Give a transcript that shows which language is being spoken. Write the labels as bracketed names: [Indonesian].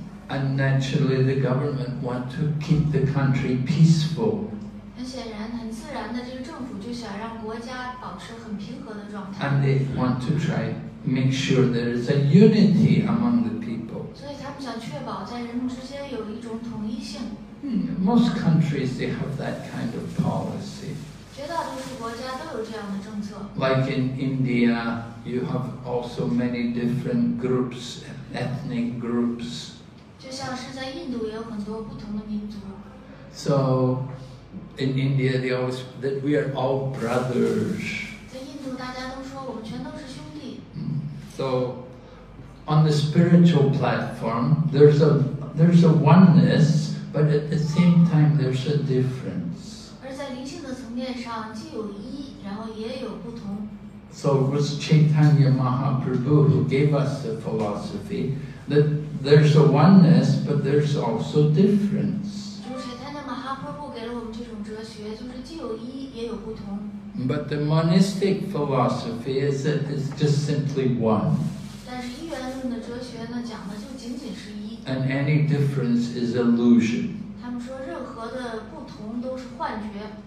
[English] And naturally, the government want to keep the country peaceful. [Chinese] 很显然，很自然的，这个政府就想让国家保持很平和的状态。 [English] And they want to try make sure there is a unity among the people. [Chinese] 所以他们想确保在人们之间有一种统一性。 [English] Most countries they have that kind of policy. [Chinese] 绝大多数国家都有这样的政策。 [English] Like in India, you have also many different groups. Ethnic groups. [Chinese] 就像是在印度也有很多不同的民族。 [English] So, in India, they always that we are all brothers. [Chinese] 在印度，大家都说我们全都是兄弟。 [English] So, on the spiritual platform, there's a oneness, but at the same time, there's a difference. [Chinese] 而在灵性的层面上，既有一，然后也有不同。 [English] So it was Chaitanya Mahaprabhu who gave us the philosophy that there's a oneness, but there's also difference. [Chinese] 就是 Chaitanya Mahaprabhu 给了我们这种哲学，就是既有一也有不同。 [English] But the monistic philosophy is that it's just simply one. [Chinese] 但是一元论的哲学呢，讲的就仅仅是一。 [English] And any difference is illusion. [Chinese] 他们说任何的不同都是幻觉。